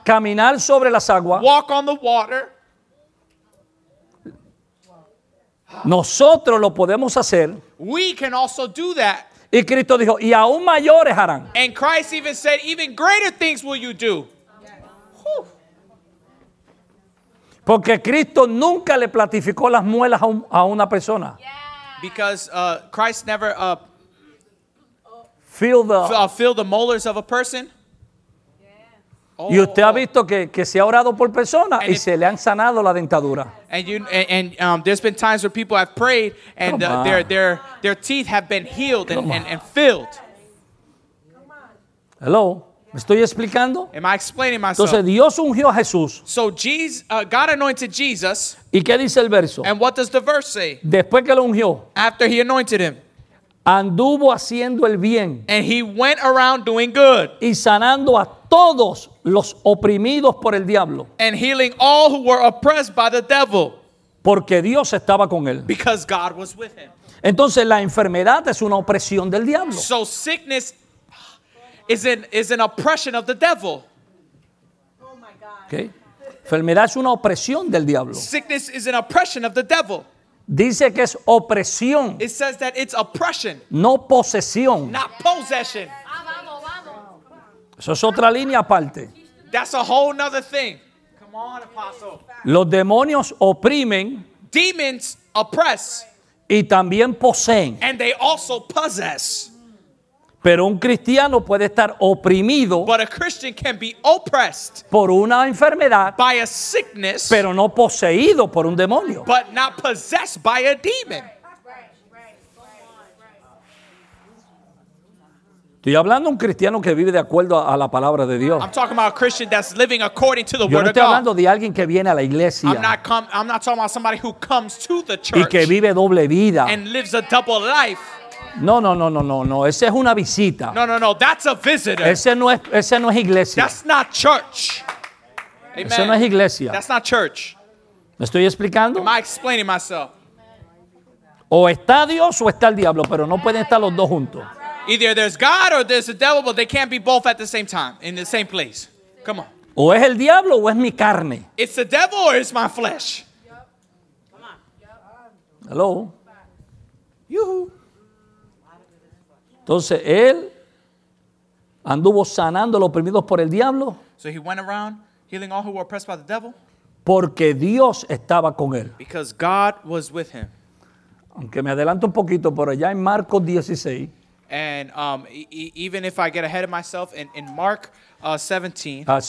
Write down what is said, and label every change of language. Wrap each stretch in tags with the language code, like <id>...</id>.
<es>caminar sobre las aguas,</es> <en>walk on the water.</en> <es>Nosotros lo podemos hacer.</es> <en>We can also do that.</en> <es>Y Cristo dijo, y aún mayores harán.</es> <en>And Christ even said, even greater things will you do.</en> <es>Porque Cristo nunca le platificó las muelas a una persona.</es> <en>Because Christ never filled the molars of a person.</en> <es>Oh, y usted ha visto que se ha orado por personas y se le han sanado la dentadura.</es> <en>And there's been times where people have prayed and their teeth have been healed and filled.</en> <es>Hello, ¿me estoy explicando?</es> <en>Am I explaining myself?</en> <es>Entonces Dios ungió a Jesús.</es> <en>So God anointed Jesus.</en> <es>¿Y qué dice el verso?</es> <en>And what does the verse say?</en> <es>Después que lo ungió.</es> <en>After he anointed him.</en> <es>Anduvo haciendo el bien.</es> <en>And he went around doing good.</en> <es>Y sanando a todos los oprimidos por el diablo.</es> <en>And healing all who were oppressed by the devil.</en> <es>Porque Dios estaba con él.</es> <en>Because God was with him.</en> <es>Entonces la enfermedad es una opresión del diablo.</es> <en>So sickness is an oppression of the devil. Oh my God.</en> <es>Okay. Enfermedad es una opresión del diablo.</es> <en>Sickness is an oppression of the devil.</en> <es>Dice que es opresión.</es> <en>It says that it's oppression.</en> <es>No posesión.</es> <en>Not possession.</en> <es>Eso es otra línea aparte.</es> <en>That's a whole nother thing. Come on, apostle.</en> <es>Los demonios oprimen.</es> <en>Demons oppress.</en> <es>Y también poseen.</es> <en>And they also possess.</en> <es>Pero un cristiano puede estar oprimido.</es> <en>But a Christian can be oppressed.</en> <es>Por una enfermedad.</es> <en>By a sickness.</en> <es>Pero no poseído por un demonio.</es> <en>But not possessed by a demon.</en> <es>Estoy hablando de un cristiano que vive de acuerdo a la palabra de Dios.</es> <en>I'm talking about a Christian that's living according to the</en> <es>Yo</es> <en>word of God.</en> <es>Yo no estoy hablando de alguien que viene a la iglesia.</es> <en>I'm not talking about somebody who comes to the church.</en> <es>Y que vive doble vida.</es> <en>And lives a double life.</en> <es>No. Ese es una visita.</es> <en>No. That's a visitor.</en> <es>Ese no es iglesia.</es> <en>That's not church.</en> <es>Amen. Ese no es iglesia.</es> <en>That's not church.</en> <es>¿Me estoy explicando?</es> <en>Am I explaining myself?</en> <es>O está Dios o está el diablo, pero no pueden estar los dos juntos.</es> <en>Either there's God or there's the devil, but they can't be both at the same time, in the same place. Come on.</en> <es>O es el diablo o es mi carne.</es> <en>It's the devil or it's my flesh. Hello. Yuhu.</en> <es>Entonces, él anduvo sanando los oprimidos por el diablo.</es> <en>So he went around healing all who were oppressed by the devil.</en> <es>Porque Dios estaba con él.</es> <en>Because God was with him.</en> <es>Aunque me adelanto un poquito, pero allá en Marcos 16.</es> <en>And even if I get ahead of myself, in Mark 16.</en>